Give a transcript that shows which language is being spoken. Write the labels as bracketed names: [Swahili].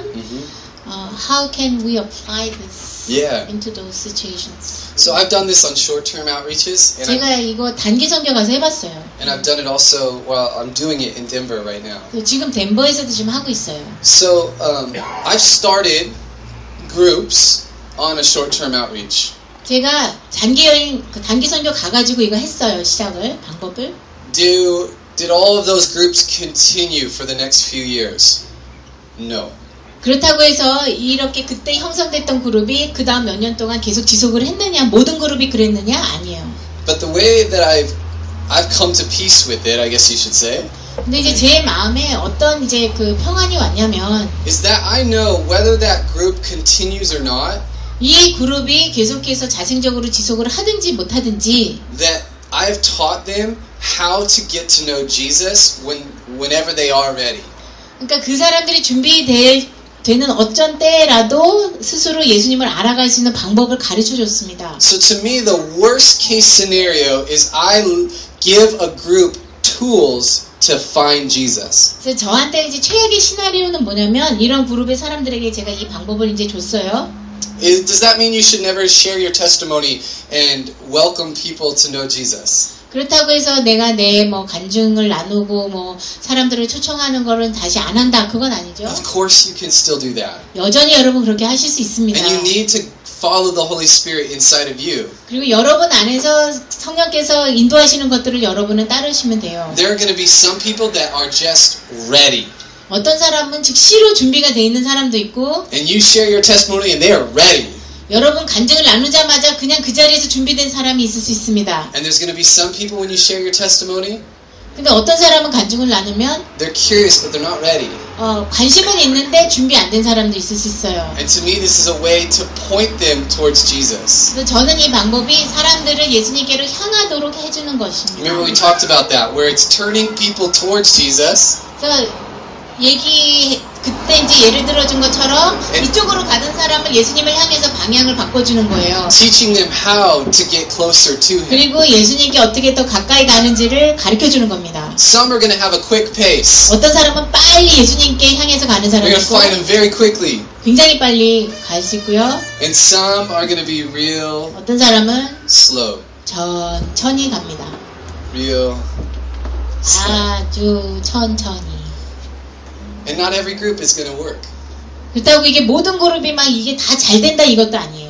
[English] Mm-hmm. How can we apply this yeah. into those situations? So I've done this on short-term outreaches. And [Korean] 제가 이거 단기 선교 가서 해봤어요. [English] And I've done it also while I'm doing it in Denver right now. [Korean] 지금 덴버에서도 지금 하고 있어요. [English] So I've started groups on a short-term outreach. [Korean] 제가 단기 여행, 그 단기 선교 가가지고 이거 했어요 시작을 방법을. [English] Did all of those groups continue for the next few years? No. [Korean] 그렇다고 해서 이렇게 그때 형성됐던 그룹이 그 다음 몇 년 동안 계속 지속을 했느냐 모든 그룹이 그랬느냐 아니에요. [English] But the way that I've come to peace with it, I guess you should say. [Korean] 근데 이제 제 마음에 어떤 이제 그 평안이 왔냐면 [English] is that I know whether that group continues or not. [Korean] 이 그룹이 계속해서 자생적으로 지속을 하든지 못하든지 [English] that I've taught them how to get to know Jesus whenever they are ready. [Korean] 그러니까 그 사람들이 준비되는 어쩐 때라도 스스로 예수님을 알아갈 수 있는 방법을 가르쳐 줬습니다. [English] So to me the worst case scenario is I give a group tools to find Jesus. [Korean] 그래서 저한테 이제 최악의 시나리오는 뭐냐면 이런 그룹의 사람들에게 제가 이 방법을 이제 줬어요. [English] Does that mean you should never share your testimony and welcome people to know Jesus? [Korean] 그렇다고 해서 내가 내 뭐 간증을 나누고 뭐 사람들을 초청하는 거는 다시 안 한다. 그건 아니죠. [English] Of course you can still do that. [Korean] 여전히 여러분 그렇게 하실 수 있습니다. [English] And you need to follow the Holy Spirit inside of you. [Korean] 그리고 여러분 안에서 성령께서 인도하시는 것들을 여러분은 따르시면 돼요. [English] There are going to be some people that are just ready. [Korean] 어떤 사람은 즉시로 준비가 되어 있는 사람도 있고 [English] and you share your testimony and they are ready. [Korean] 여러분 간증을 나누자마자 그냥 그 자리에서 준비된 사람이 있을 수 있습니다. [English] And there's going to be some people when you share your testimony. [Korean] 근데 어떤 사람은 간증을 나누면 [English] they're curious but they're not ready. [Korean] 관심은 있는데 준비 안 된 사람도 있을 수 있어요. [English] And to me this is a way to point them towards Jesus. [Korean] 저는 이 방법이 사람들을 예수님께로 향하도록 해 주는 것입니다. [English] Remember we talked about that where it's turning people towards Jesus. [Korean] 그때 이제 예를 들어준 것처럼 이쪽으로 가던 사람을 예수님을 향해서 방향을 바꿔주는 거예요. [English] Teaching them how to get closer to him. [Korean] 그리고 예수님께 어떻게 더 가까이 가는지를 가르쳐주는 겁니다. [English] Some are going to have a quick pace. [Korean] 어떤 사람은 빨리 예수님께 향해서 가는 사람이고 [English] They're going to find him very quickly. [Korean] 굉장히 빨리 갈 수 있고요. [English] And some are going to be real [Korean] 어떤 사람은 [English] slow. [Korean] 천천히 갑니다. [English] Real [Korean] 아주 천천히 [English] And not every group is going to work. [Korean] 그렇다고 이게 모든 그룹이 막 이게 다 잘 된다 이것도 아니에요.